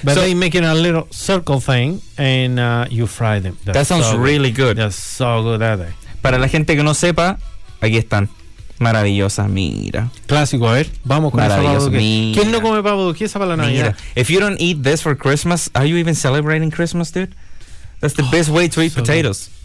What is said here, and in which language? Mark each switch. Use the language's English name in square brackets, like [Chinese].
[English] But so they make it a little circle thing and you fry them. That's that sounds so really good. That's so good, aren't they? [Spanish] Para la gente que no sepa, aquí están. Maravillosa, mira. Clásico, a ver. Vamos con maravilloso, esa mira. ¿Quién no come pavo duquesa para la Navidad? Mira, [English] if you don't eat this for Christmas, are you even celebrating Christmas, dude? That's the best way to eat so potatoes.